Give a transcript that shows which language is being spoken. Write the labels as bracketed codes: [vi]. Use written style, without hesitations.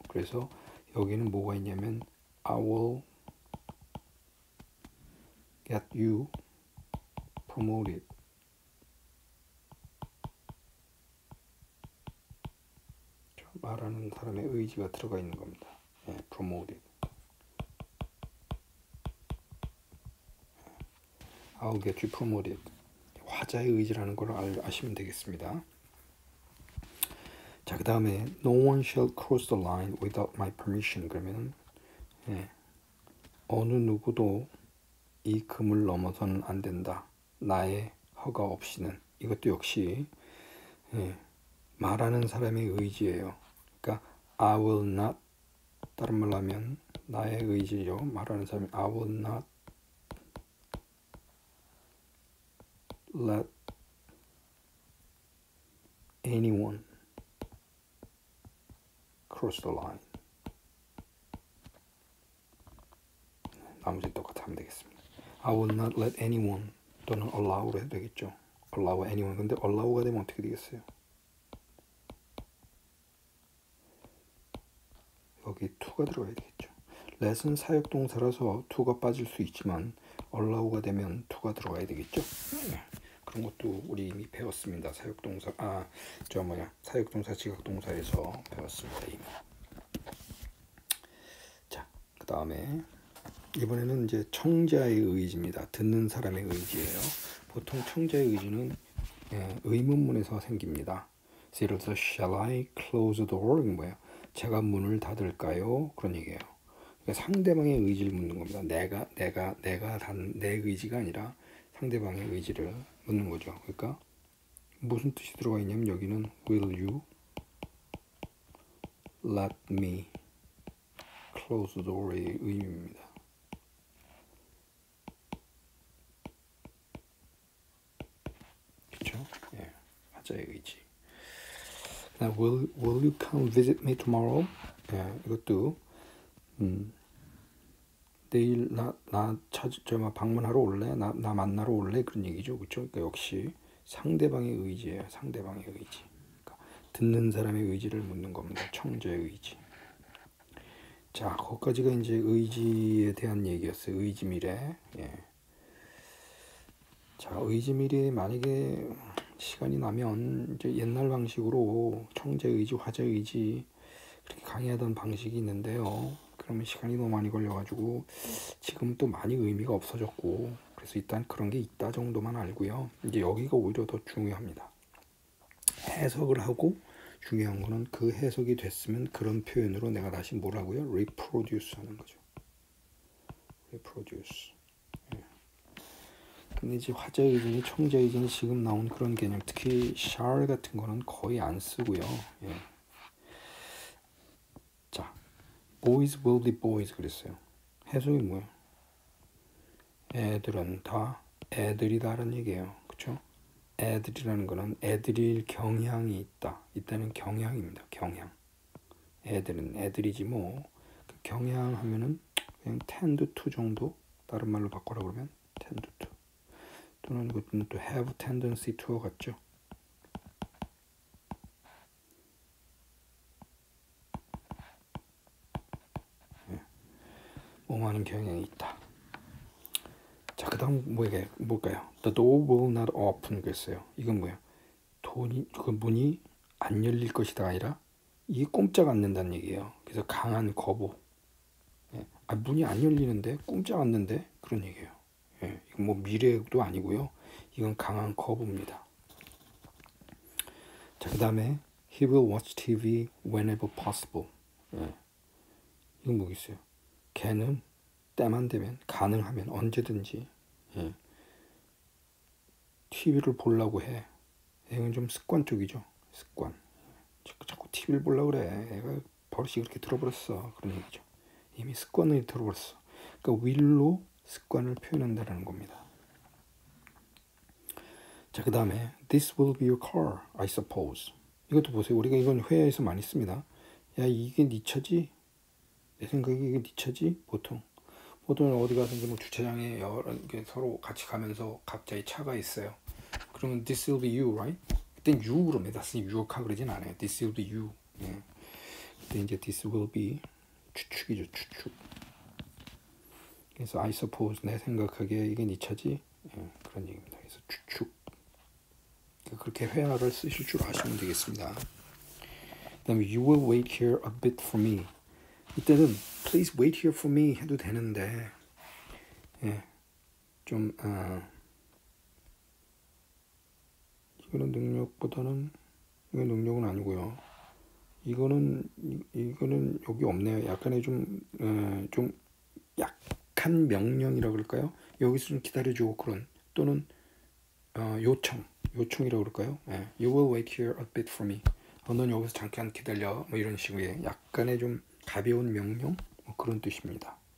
[ko] 그래서 여기는 뭐가 있냐면 [en] I will get you promoted. [ko] 말하는 사람의 의지가 들어가 있는 겁니다. [en] 예, promoted. I'll get you promoted. [ko] 화자의 의지라는 걸 아시면 되겠습니다. 자, 그 다음에 [en] No one shall cross the line without my permission. [ko] 그러면 예, 어느 누구도 이 금을 넘어서는 안 된다. 나의 허가 없이는. 이것도 역시 예, 말하는 사람의 의지예요. 그러니까 [en] I will not [ko] 다른 말로 하면 나의 의지죠. 말하는 사람이 [en] I will not let anyone cross the line. [ko] 나머지는 똑같이 하면 되겠습니다. [en] I will not let anyone [ko] 또는 allow로 해도 되겠죠. [en] allow anyone. [ko] 근데 allow가 되면 어떻게 되겠어요? 여기 to가 들어가야 되겠죠. let은 사역동사라서 to가 빠질 수 있지만 allow가 되면 to가 들어가야 되겠죠. 그런 것도 우리 이미 배웠습니다. 사역동사, 아, 저 뭐냐, 사역동사, 지각동사에서 배웠습니다, 이미. 그 다음에 이번에는 이제 청자의 의지입니다. 듣는 사람의 의지예요. 보통 청자의 의지는 의문문에서 생깁니다. 예를 들어서 [en] shall I close the door? [ko] 뭐예요? 제가 문을 닫을까요? 그런 얘기예요. 상대방의 의지를 묻는 겁니다. 내가 단내 의지가 아니라 상대방의 의지를 묻는 거죠. 그러니까 무슨 뜻이 들어가 있냐면 여기는 [en] will you let me close the door [ko] 의 의미입니다. 그렇죠? 예, 맞아요, 의지. [en] Now, will you come visit me tomorrow? [ko] 예, 이것도 내일 나 찾을 저막 방문하러 올래? 나 만나러 올래? 그런 얘기죠, 그렇죠? 그러니까 역시 상대방의 의지예요, 상대방의 의지. 그러니까 듣는 사람의 의지를 묻는 겁니다, 청자의 의지. 자, 거기까지가 이제 의지에 대한 얘기였어요. 의지 미래. 예. 자, 의지 미래 만약에 시간이 나면 이제 옛날 방식으로 청자 의지, 화자 의지 그렇게 강의하던 방식이 있는데요. 그러면 시간이 너무 많이 걸려가지고 지금 또 많이 의미가 없어졌고 그래서 일단 그런 게 있다 정도만 알고요. 이제 여기가 오히려 더 중요합니다. 해석을 하고 중요한 거는 그 해석이 됐으면 그런 표현으로 내가 다시 뭐라고요? reproduce 하는 거죠. [en] reproduce. [ko] 근데 이제 화자 의지니 청자 의지니 지금 나온 그런 개념, 특히 shall 같은 거는 거의 안 쓰고요. 예. [en] boys will be boys [ko] 그랬어요. 해석이 뭐예요? 애들은 다 애들이다라는 얘기예요. 그쵸? 애들이라는 거는 애들일 경향이 있다. 있다는 경향입니다. 경향. 애들은 애들이지 뭐. 그 경향 하면은 그냥 tend to 정도. 다른 말로 바꿔라 그러면 tend to. 또는 그것은 또 have tendency to 같죠. 옹호하는 경향이 있다. 자, 그다음 뭘까요? [en] The door will not open [ko] 그랬어요. 이건 뭐예요? 그 문이 안 열릴 것이다 아니라 이게 꼼짝 않는다는 얘기예요. 그래서 강한 거부. 예. 아, 문이 안 열리는데 꼼짝 않는데 그런 얘기예요. 예. 이건 뭐 미래도 아니고요. 이건 강한 거부입니다. 자, 그다음에 [en] he will watch TV whenever possible. [ko] 예. 이건 뭐겠어요? 걔는 때만 되면 가능하면 언제든지 예. TV를 보려고 해. 애는 좀 습관 쪽이죠. 습관. 자꾸 TV를 보려고 그래. 애가 버릇이 그렇게 들어버렸어. 그런 얘기죠. 이미 습관을 들어버렸어. 그러니까 will로 습관을 표현한다는 겁니다. 자, 그 다음에 [en] This will be your car, I suppose. [ko] 이것도 보세요. 우리가 이건 회화에서 많이 씁니다. 야, 이게 네 차지? 내 생각에 이게 네 차지? 보통. 보통은 어디 가든지 뭐 주차장에 여러 개 서로 같이 가면서 각자의 차가 있어요. 그러면 [en] this will be you, right? [ko] 그땐 you 그럽니다. [en] That's your car [ko] 그러진 않아요. [en] This will be you. 예. [ko] 그때 이제 [en] this will be [ko] 추측이죠, 추측. 그래서 [en] I suppose [ko] 내 생각하기에 이게 네 차지? 예. 그런 얘기입니다. 그래서 추측. 그렇게 회화를 쓰실 줄 아시면 되겠습니다. 그다음에 [en] you will wait here a bit for me. [ko] 이때는 [en] please wait here for me [ko] 해도 되는데 예좀아 이거는 능력보다는 이게 능력은 아니고요 이거는 여기 없네요 약간의 좀좀 약한 명령이라 그럴까요 여기서 좀 기다려주고 그런 또는 요청이라고 그럴까요 예 [en] you will wait here a bit for me [ko] 너는 여기서 잠깐 기다려 뭐 이런 식으로 약간의 좀 가벼운 명령? 뭐 그런 뜻입니다.